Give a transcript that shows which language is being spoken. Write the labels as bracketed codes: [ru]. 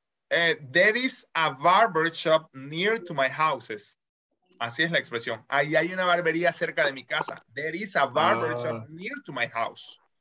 [en] There is a barber shop near to my houses. [es] Así es la expresión. Ahí hay una barbería cerca de mi casa. [en] There is a barber shop near to my house.